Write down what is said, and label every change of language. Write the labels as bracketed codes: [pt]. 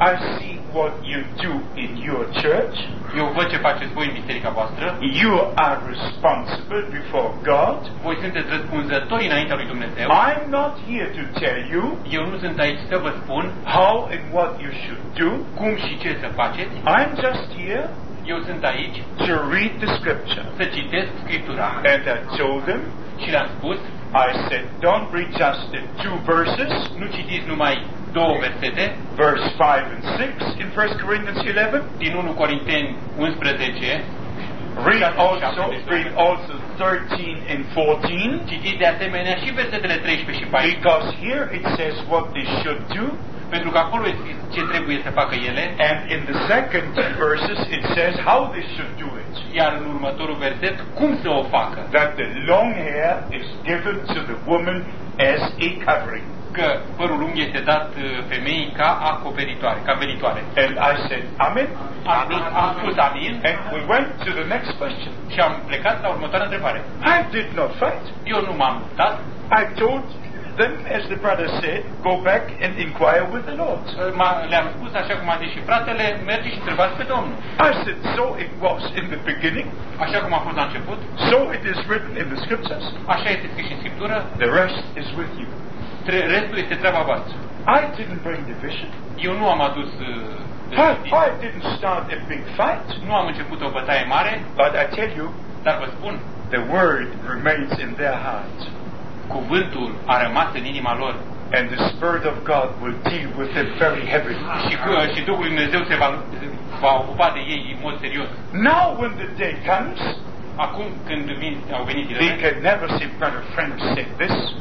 [en] I see what you do in your church. [ro] Eu văd ce faceți voi în biserica voastră. [en] You are responsible before God. [ro] Voi sunteți răspunzători înaintea lui Dumnezeu. [en] I'm not here to tell you. [ro] Eu nu sunt aici să vă spun [en] how and what you should do. [ro] Cum și ce să faceți. [en] I'm just here. [ro] Eu sunt aici [en] to read the scripture. [ro] Să citesc scriptura. [en] And I told them. [ro] Și le-am spus. [en] I said, don't read just the two verses. [ro] Nu citiți numai două versete. [en] Verse 5 and 6 in 1 Corinthians 11. [ro] Din 1 Corinteni 11. [en] Read also 13 and 14. [ro] Citiți de asemenea și versetele 13 și 14. [en] Because here it says what they should do. [ro] Pentru că acolo este ce trebuie să facă ele. [en] And in the second two verses it says how they should do it. [ro] Iar în următorul verset cum să o facă. [en] That the long hair is given to the woman as a covering. [ro] Că părul lung este dat femeii ca acoperitoare, ca veritoare. [en] And I said, amen. [ro] Am spus amin. [en] And we went to the next question. [ro] Și am plecat la următoarea întrebare. [en] I did not fight. [ro] Eu nu m-am luptat. [en] I told them, as the brother said, go back and inquire with the Lord. [ro] Le-am spus așa cum a zis și fratele, mergi și întrebați pe Domnul. [en] I said, so it was in the beginning. [ro] Așa cum a fost la început. [en] So it is written in the scriptures. [ro] Așa este scris în scriptură. [en] The rest is with you. [ro] Restul este treaba voastră. [en] I didn't bring the vision. [ro] Eu nu am adus [en] I didn't start a big fight. [ro] Nu am început o bătaie mare. [en] But I tell you, [ro] dar vă spun, [en] the word remains in their hearts. [ro] Cuvântul a rămas în inima lor. [en] And the Spirit of God will deal with them very heavily. [ro] Și Duhul lui Dumnezeu se va ocupa de ei în mod serios. [en] Now when the day comes, [ro] acum când au venit ele, [en] they can never say, brother Frank said this.